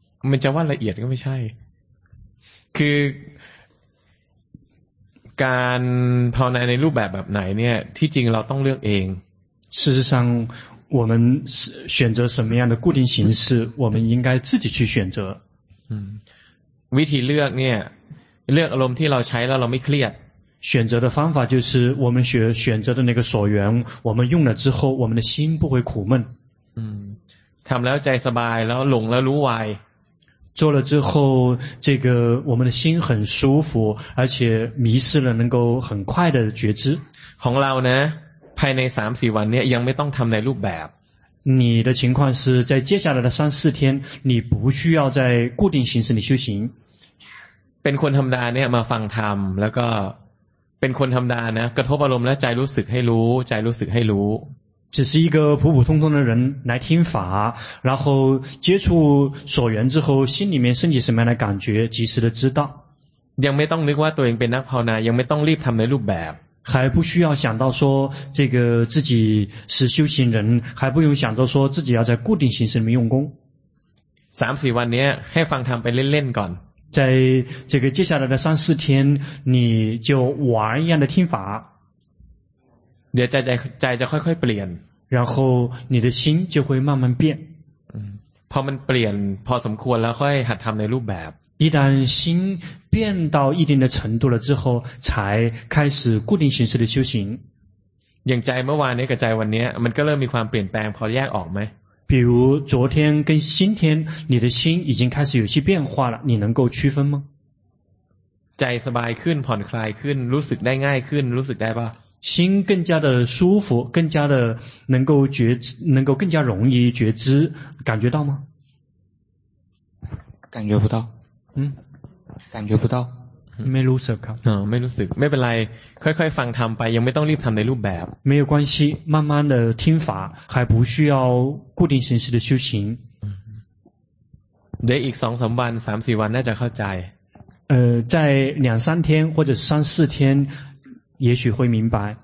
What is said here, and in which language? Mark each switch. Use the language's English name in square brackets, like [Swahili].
[Thai] มันจะว่าละเอียดก็ไม่ใช่คือการภาวนาในรูปแบบไหนเนี่ยที่จริงเราต้องเลือกเอง [Chinese] 事实上我们选择什么样的固定形式我们应该自己去选择 [Thai] วิธีเลือกเนี่ยเลือกอารมณ์ที่เราใช้แล้วเราไม่เครียด [Chinese] 选择的方法就是我们选择的那个所缘我们用了之后我们的心不会苦闷 [Thai] ทำแล้วใจสบายแล้วหลงแล้วรู้ไว [Chinese] 做了之后这个我们的心很舒服而且迷失了能够很快的觉知 [Thai] ของเราเนี่ยภายใน3-4 วันเนี่ยยังไม่ต้องทำในรูปแบบ [Chinese] 你的情况是在接下来的3-4天你不需要在固定形式里修行 [Thai] เป็นคนธรรมดาเนี่ยมาฟังธรรมแล้วก็เป็นคนธรรมดานะกระทบอารมณ์แล้วใจรู้สึกให้รู้ใจรู้สึกให้รู้ [Chinese] 只是一个普普通通的人来听法然后接触所缘之后心里面升起什么样的感觉及时的知道 [Thai] ยังไม่ต้องนึกว่าตัวเองเป็นนักภาวนายังไม่ต้องรีบทำในรูปแบบ [Chinese] 还不需要想到说这个自己是修行人还不用想到说自己要在固定形式里面用功 [Thai] 3-4 วันนี้ให้ฟังทำไปเล่นๆก่อน [Chinese] 在这个接下来的3-4天你就玩一样的听法 [Thai] เดี๋ยวใจจะค่อยๆเปลี่ยน [Chinese] 然后你的心就会慢慢变 [Thai] พอมันเปลี่ยนพอสมควรแล้วค่อยหัดทำในรูปแบบ [Chinese] 一旦心变到一定的程度了之后才开始固定形式的修行 [Thai] อย่างใจเมื่อวานนี้กับใจวันนี้มันก็เริ่มมีความเปลี่ยนแปลงพอแยกออกไหม [Chinese] 比如昨天跟今天你的心已经开始有些变化了，你能够区分吗？ [Thai] ใจสบายขึ้นผ่อนคลายขึ้นรู้สึกได้ง่ายขึ้นรู้สึกได้ป่ะ [Chinese] 心更加的舒服，更加的能够觉知，能够更加容易觉知，感觉到吗？感觉不到。嗯，感觉不到。没 [Thai] รู้สึกครับ。 [Chinese] 没 [Thai] รู้สึก，ไม่เป็นไร，ค่อยๆฟังทำไป，ยังไม่ต้องรีบทำในรูปแบบ。 [Chinese] 没有关系，慢慢的听法，还不需要固定形式的修行。 [Thai] เดี๋ยวอีกสองสามวันสามสี่วันน่าจะเข้าใจ。 [Chinese] 在两三天或者三四天，也许会明白。